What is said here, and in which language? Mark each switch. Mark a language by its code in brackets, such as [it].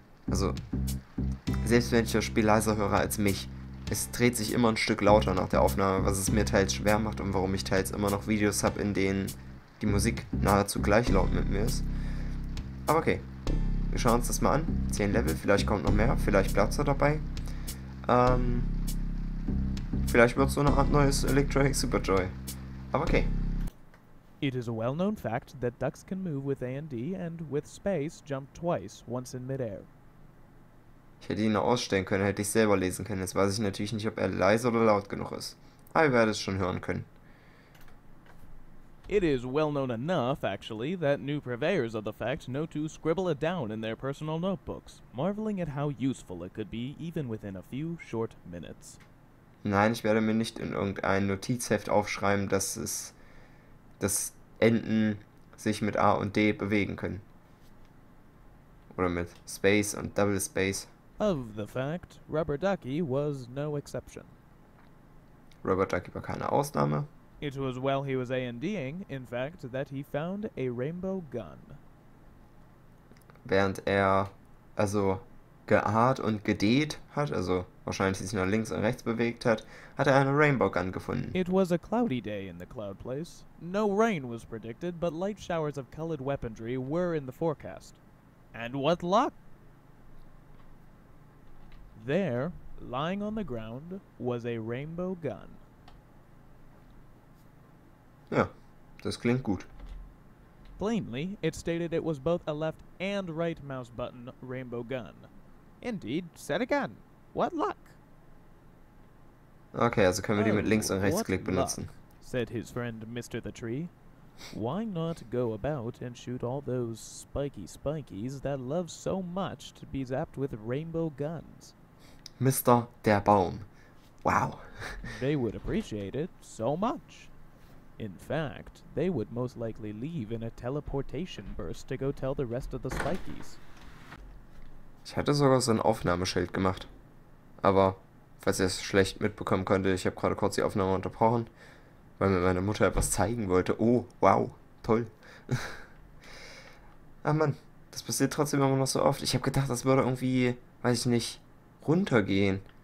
[de] Also, selbst wenn ich das Spiel leiser höre als mich, es dreht sich immer ein Stück lauter nach der Aufnahme, was es mir teils schwer macht und warum ich teils immer noch Videos habe, in denen die Musik nahezu gleich laut mit mir ist. Aber okay, wir schauen uns das mal an. 10 Level, vielleicht kommt noch mehr, vielleicht bleibt es dabei. Vielleicht wird es so eine Art neues Electronic Super Joy. Aber okay. [en] It is a well-known fact that ducks can move with A and D and with space jump twice, once in midair. [de] Ich hätte ihn nur ausstellen können, hätte ich selber lesen können. Jetzt weiß ich natürlich nicht, ob er leise oder laut genug ist. Aber ich werde es schon hören können. [en] It is well known enough, actually, that new purveyors of the fact know to scribble it down in their personal notebooks, marveling at how useful it could be even within a few short minutes. [de] Nein, ich werde mir nicht in irgendein Notizheft aufschreiben, dass Enten sich mit A und D bewegen können. Oder mit Space und Double Space. [en] Of the fact, Rubber Ducky was no exception. [de] Rubber Ducky war keine Ausnahme. [en] It was while he was A&Ding, in fact, that he found a rainbow gun. [de] Während er also geaht und gedeht hat, also wahrscheinlich sich nach links und rechts bewegt hat, hat er eine Rainbow Gun gefunden. [en] It was a cloudy day in the cloud place. No rain was predicted, but light showers of colored weaponry were in the forecast. And what luck! There, lying on the ground, was a rainbow gun. [de] Ja, das klingt gut. [en] Plainly, it stated it was both a left and right mouse button rainbow gun. Indeed, said again. What luck! [de] Okay, also können wir die mit Links- Oh, und [en] what [de] Rechtsklick benutzen. [en] luck, said his friend Mr. the Tree. Why not go about and shoot all those spiky spikies that love so much to be zapped with rainbow guns? [de] Mister der Baum. Wow. [en] They would appreciate it so much. In fact, they would most likely leave in a teleportation burst to go tell the rest of the spikies. [de] Ich hatte sogar so ein Aufnahmeschild gemacht. Aber, falls ihr es schlecht mitbekommen könntet, ich habe gerade kurz die Aufnahme unterbrochen, weil mir meine Mutter etwas zeigen wollte. Oh, wow, toll. Ach Mann, das passiert trotzdem immer noch so oft. Ich habe gedacht, das würde irgendwie, weiß ich nicht, runtergehen.